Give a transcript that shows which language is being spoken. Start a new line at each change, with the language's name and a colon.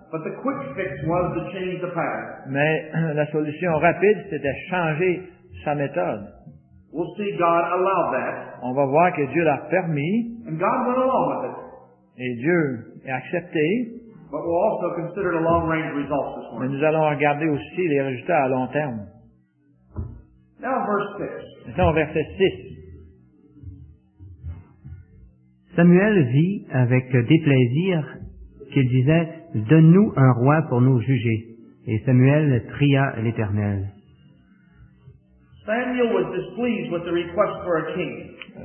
English: But the quick fix was to change the pattern.
French: Mais la solution rapide, c'était changer sa méthode.
English: We'll see God allow that.
French: On va voir que Dieu l'a permis.
English: And God went along with it.
French: Et Dieu a accepté.
English: But we'll also consider the long-range results this morning.
French: Mais nous allons regarder aussi les résultats à long terme.
English: Now verse 6.
French: Maintenant verset 6. Samuel vit avec déplaisir qu'il disait, « Donne-nous un roi pour nous juger. » Et Samuel pria l'Éternel.
English: Samuel was displeased with the request for a king.